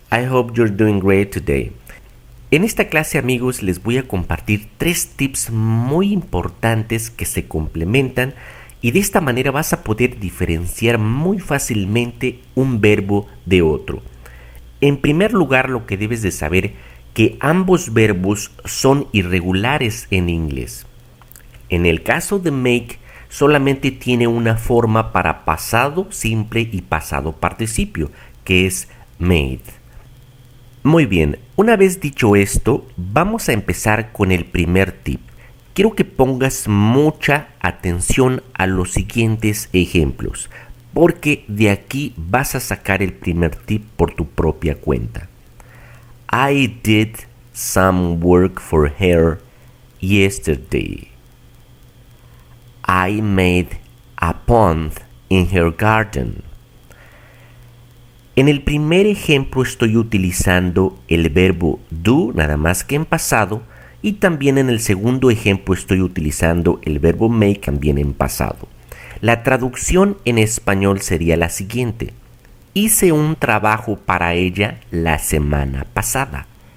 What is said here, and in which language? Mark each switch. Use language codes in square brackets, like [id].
[en] I hope you're doing great today. [es] En esta clase, amigos, les voy a compartir tres tips muy importantes que se complementan y de esta manera vas a poder diferenciar muy fácilmente un verbo de otro. En primer lugar, lo que debes de saber que ambos verbos son irregulares en inglés. En el caso de make, solamente tiene una forma para pasado simple y pasado participio, que es made. Muy bien, una vez dicho esto, vamos a empezar con el primer tip. Quiero que pongas mucha atención a los siguientes ejemplos, porque de aquí vas a sacar el primer tip por tu propia cuenta. [en] I did some work for her yesterday. I made a pond in her garden. [es] En el primer ejemplo estoy utilizando el verbo do, nada más que en pasado, y también en el segundo ejemplo estoy utilizando el verbo make, también en pasado. La traducción en español sería la siguiente: hice un trabajo para ella la semana pasada.